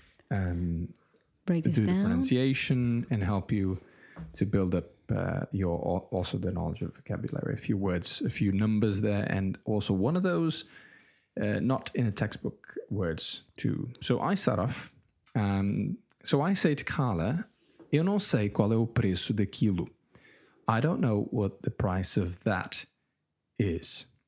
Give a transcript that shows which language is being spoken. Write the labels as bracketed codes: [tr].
[en] break this down, the pronunciation, and help you to build up your also the knowledge of vocabulary. A few words, a few numbers there, and also one of those not in a textbook words too. So I start off. So I say to Carla, [pt] "Eu não sei qual é o preço daquilo." [en] I don't know what the price of that is.